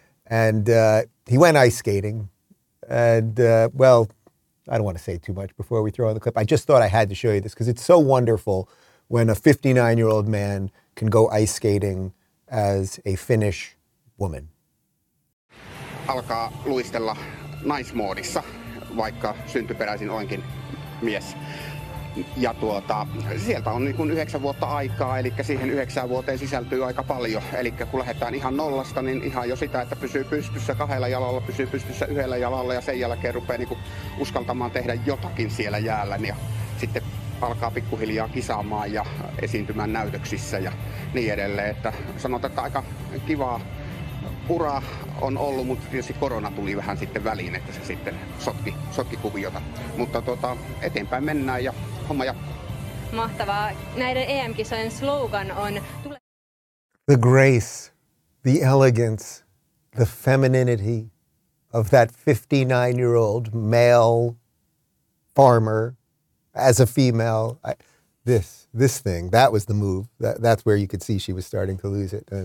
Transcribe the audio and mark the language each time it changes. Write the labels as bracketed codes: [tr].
[en] And he went ice skating and, well, I don't want to say too much before we throw on the clip. I just thought I had to show you this because it's so wonderful when a 59-year-old man can go ice skating as a Finnish woman. [fi] Alkaa luistella naismoodissa, vaikka syntyperäisin onkin mies. Ja sieltä on niin kuin 9 vuotta aikaa, eli siihen 9 vuoteen sisältyy aika paljon. Eli kun lähdetään ihan nollasta, niin ihan jo sitä, että pysyy pystyssä 2 jalalla, pysyy pystyssä 1 jalalla ja sen jälkeen rupeaa niin kuin uskaltamaan tehdä jotakin siellä jäällä. Ja sitten alkaa pikkuhiljaa kisaamaan ja esiintymään näytöksissä ja niin edelleen. Että sanotaan, että aika kivaa uraa on ollut, mutta tietysti korona tuli vähän sitten väliin, että se sitten sotki kuviota. Mutta eteenpäin mennään ja homma jatkuu. Mahtavaa. Näiden EM-kisojen slogan on [en] the grace, the elegance, the femininity of that 59-year-old male farmer as a female. This thing, that was the move. That's where you could see she was starting to lose it.